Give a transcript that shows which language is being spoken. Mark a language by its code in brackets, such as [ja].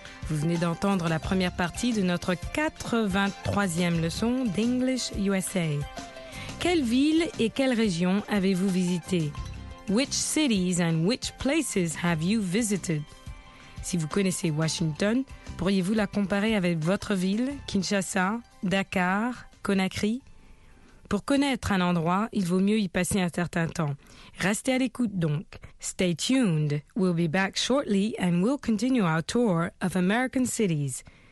[fr] Vous venez d'entendre la première partie de notre 83e leçon d'English USA. Quelle ville et quelle région avez-vous visité? [en] Which cities and which places have you visited? [fr] Si vous connaissez Washington, pourriez-vous la comparer avec votre ville, Kinshasa, Dakar, Conakry? Pour connaître un endroit, il vaut mieux y passer un certain temps. Restez à l'écoute donc. [en] Stay tuned. We'll be back shortly and we'll continue our tour of American cities.